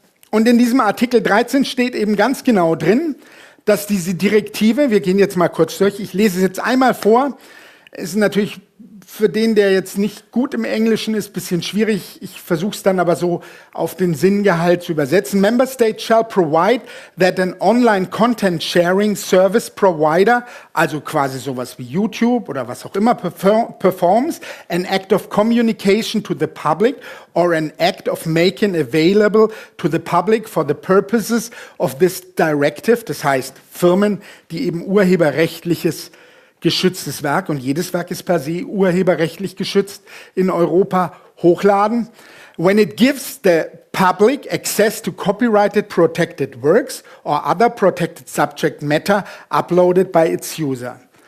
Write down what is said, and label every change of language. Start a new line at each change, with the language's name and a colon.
German: Und in diesem Artikel 13 steht eben ganz genau drin, dass diese Direktive, wir gehen jetzt mal kurz durch, ich lese es jetzt einmal vor, ist natürlich für den, der jetzt nicht gut im Englischen ist, ein bisschen schwierig. Ich versuche es dann aber so auf den Sinngehalt zu übersetzen.
English: Member States shall provide that an online content sharing service provider,
German: also quasi sowas wie YouTube oder was auch immer,
English: performs an act of communication to the public or an act of making available to the public for the purposes of this directive.
German: Das heißt, Firmen, die eben urheberrechtliches geschütztes Werk, und jedes Werk ist per se urheberrechtlich geschützt, in Europa hochladen.
English: When it gives the public access to copyrighted protected works or other protected subject matter uploaded by its user.